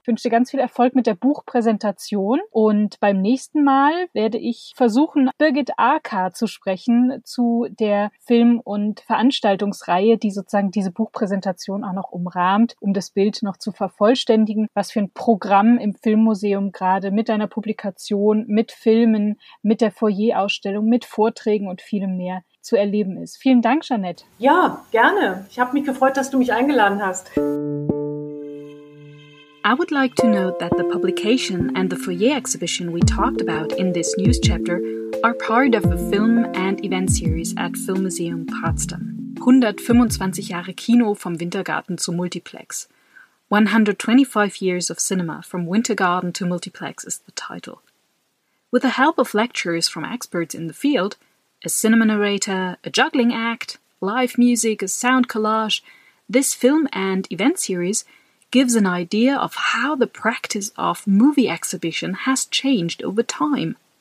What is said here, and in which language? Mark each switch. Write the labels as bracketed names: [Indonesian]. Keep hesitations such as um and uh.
[German] Ich wünsche dir ganz viel Erfolg mit der Buchpräsentation und beim nächsten Mal werde ich versuchen, Birgit Arka zu sprechen zu der Film- und Veranstaltungsreihe, die sozusagen diese Buchpräsentation auch noch umrahmt, um das Bild noch zu vervollständigen, was für ein Programm im Filmmuseum gerade mit deiner Publikation, mit Filmen, mit der Foyer-Ausstellung, mit Vorträgen und vielem mehr zu erleben ist. Vielen Dank, Jeanette. Ja, gerne. Ich habe mich gefreut, dass du mich eingeladen hast. [English] I would like to note that the publication and the foyer exhibition we talked about in this news chapter are part of a film and event series at Film Museum Potsdam. [German] 125 Jahre Kino vom Wintergarten zu Multiplex. [English] 125 Years of Cinema from Wintergarten to Multiplex is the title. With the help of lectures from experts in the field, a cinema narrator, a juggling act, live music, a sound collage, this film and event series gives an idea of how the practice of movie exhibition has changed over time.